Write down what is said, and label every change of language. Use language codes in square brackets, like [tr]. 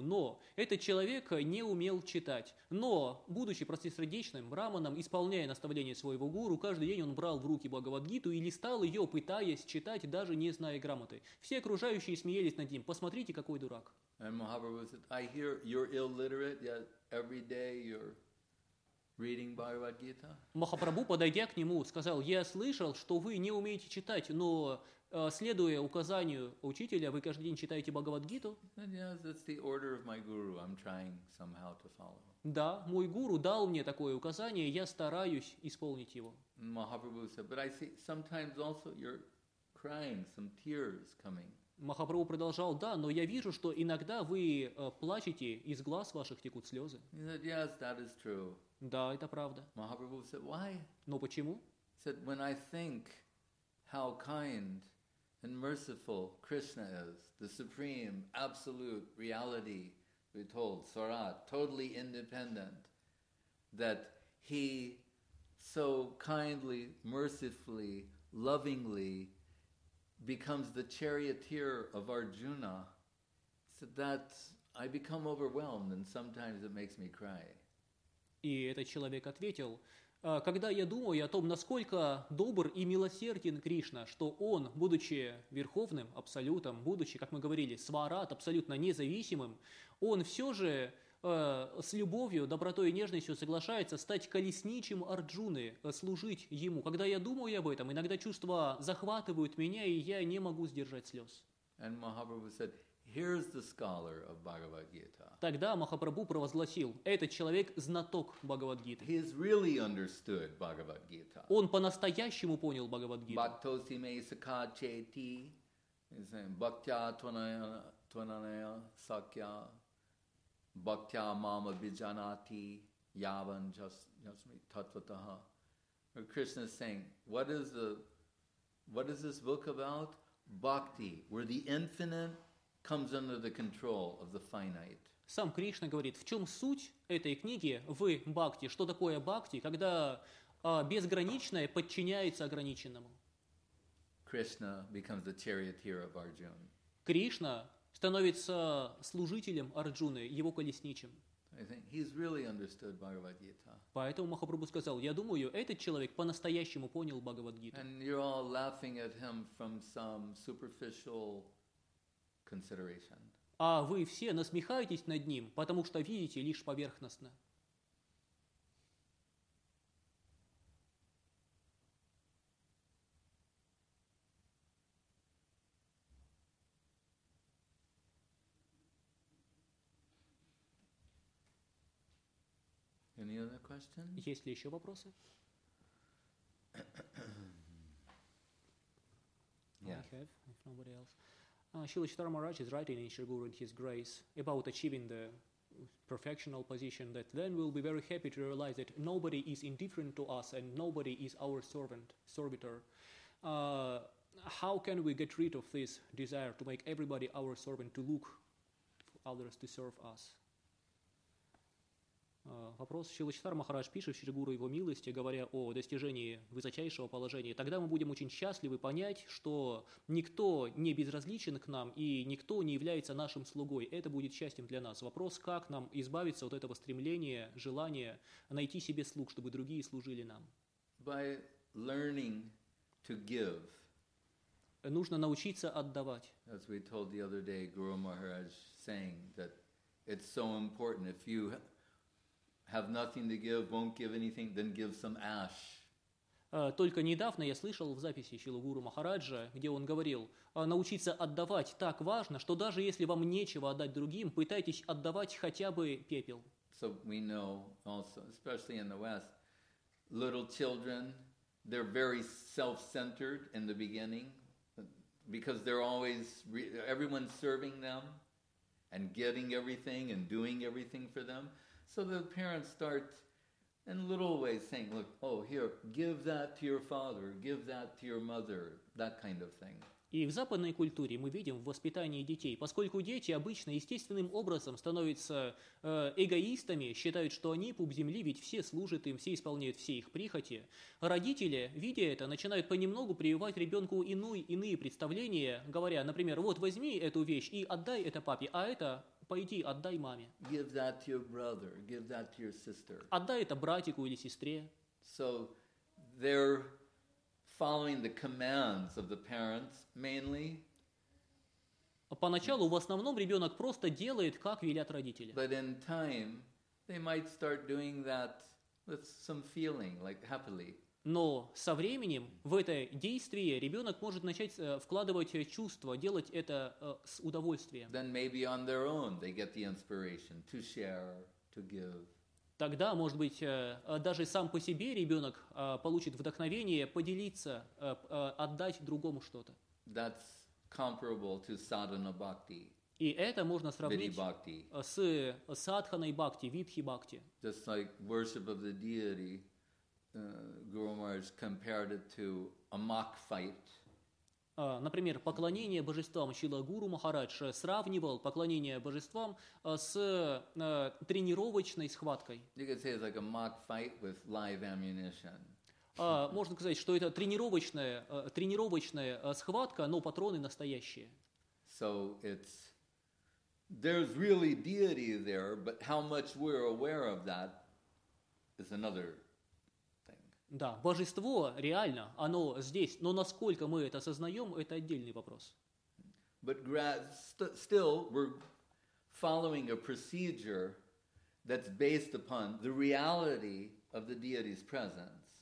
[ru] Но этот человек не умел читать. Но, будучи простосердечным браманом, исполняя наставления своего гуру, каждый день он брал в руки Бхагавадгиту и листал ее, пытаясь читать, даже не зная грамоты. Все окружающие смеялись над ним. Посмотрите, какой дурак. [en] And Mahaprabhu said, I hear you're illiterate, yet every day you're reading Bhagavad Gita. [ru] Махапрабху, подойдя к нему, сказал, я слышал, что вы не умеете читать, но следуя указанию учителя, вы каждый день читаете Бхагавадгиту. [en] Yes, that's the order of my guru. I'm trying somehow to follow. [ru] Да, мой гуру дал мне такое указание, я стараюсь исполнить его. [en] Махапрабху said, but I see sometimes also you're crying, some tears coming. [ru] Махапрабху продолжал, да, но я вижу, что иногда вы плачете, из глаз ваших текут слезы. [en] He said, yes, that is true. [ru] Да, это правда. [en] Махапрабху said, why? [ru] Но почему? [en] He said, when I think how kind and merciful Krishna is, the supreme, absolute reality, we told Sarat, totally independent, that he so kindly, mercifully, lovingly becomes the charioteer of Arjuna, so that I become overwhelmed and sometimes it makes me cry. [ru] И этот человек ответил, когда я думаю о том, насколько добр и милосерден Кришна, что он, будучи верховным абсолютом, будучи, как мы говорили, сварат, абсолютно независимым, он все же с любовью, добротой и нежностью соглашается стать колесничим Арджуны, служить ему. Когда я думаю об этом, иногда чувства захватывают меня, и я не могу сдержать слез. [en] And Mahaprabhu said, here's the scholar of Bhagavad Gita. [ru] Тогда Махапрабху провозгласил, этот человек знаток Бхагавадгиты. [en] He's really understood Bhagavad Gita. [ru] Он по-настоящему понял Бхагавадгиту. [sa] Бхактоси мей сака чети, бхактя тваная сакья, Bhaktya mama bijanati yavan jasmi tatvataha. [en] Krishna is saying, what is this book about? Bhakti, where the infinite comes under the control of the finite. [ru] Сам Кришна говорит, в чем суть этой книги в бхакти? Что такое бхакти, когда безграничное подчиняется ограниченному? [en] Krishna becomes the charioteer of Arjuna. [ru] Кришна становится служителем Арджуны, его колесничим. [en] I think he's really understood Bhagavad Gita. [ru] Поэтому Махапрабху сказал: "Я думаю, этот человек по-настоящему понял Бхагавад Гиту." [en] And you're all laughing at him from some superficial consideration. [ru] А вы все насмехаетесь над ним, потому что видите лишь поверхностно. [en] Any other questions? [ru] Есть ли еще вопросы? [en] Yeah. I have, if nobody else. Srila Chaitanya Maharaj is writing in Shri Guru in His Grace about achieving the perfectional position, that then we'll be very happy to realize that nobody is indifferent to us and nobody is our servitor. How can we get rid of this desire to make everybody our servant, to look for others to serve us? [ru] Вопрос. Шрила Читар Махарадж пишет Шри Гуру его милости, говоря о достижении высочайшего положения. Тогда мы будем очень счастливы понять, что никто не безразличен к нам и никто не является нашим слугой. Это будет счастьем для нас. Вопрос, как нам избавиться от этого стремления, желания найти себе слуг, чтобы другие служили нам. [en] By learning to give. [ru] Нужно научиться отдавать. [en] As we told the other day, Guru Maharaj saying that it's so important if you have nothing to give, won't give anything, then give some ash. [ru] Только недавно я слышал в записи Шрилы Гуру Махараджа, где он говорил, научиться отдавать так важно, что даже если вам нечего отдать другим, пытайтесь отдавать хотя бы пепел. [en] So we know also, especially in the West, little children, they're very self-centered in the beginning, because they're always, everyone's serving them, and getting everything, and doing everything for them. So the parents start in little ways saying, look, oh, here, give that to your father, give that to your mother, that kind of thing. [ru] И в западной культуре мы видим в воспитании детей, поскольку дети обычно естественным образом становятся эгоистами, считают, что они пуп земли, ведь все служат им, все исполняют все их прихоти. Родители, видя это, начинают понемногу прививать ребенку иные представления, говоря, например, вот возьми эту вещь и отдай это папе, а это пойди, отдай маме. [en] Give that to your brother, give that to your sister. [ru] Отдай это братику или сестре. [en] So they're following the commands of the parents mainly. [ru] Поначалу в основном ребенок просто делает, как велят родители. [en] But in time, they might start doing that with some feeling, like happily. [ru] Но со временем в это действие ребенок может начать вкладывать чувства, делать это с удовольствием. [en] Then maybe on their own they get the inspiration to share, to give. [ru] Тогда, может быть, даже сам по себе ребенок получит вдохновение поделиться, отдать другому что-то. [en] That's comparable to sadhana bhakti. [ru] И это можно сравнить с садханой бхакти, видхи бхакти. [en] Just like worship of the deity. Guru Maharaj compared it to a mock fight. [ru] Например, поклонение божествам Шрила Гуру Махарадж сравнивал поклонение божествам с тренировочной схваткой. [en] You could say it's like a mock fight with live ammunition. [ru] Можно сказать, что это тренировочная схватка, но патроны настоящие. [en] So it's there's really deity there, but how much we're aware of that is another. [ru] Да, божество реально, оно здесь, но насколько мы это осознаем, это отдельный вопрос. [en] But still we're following a procedure that's based upon the reality of the deity's presence.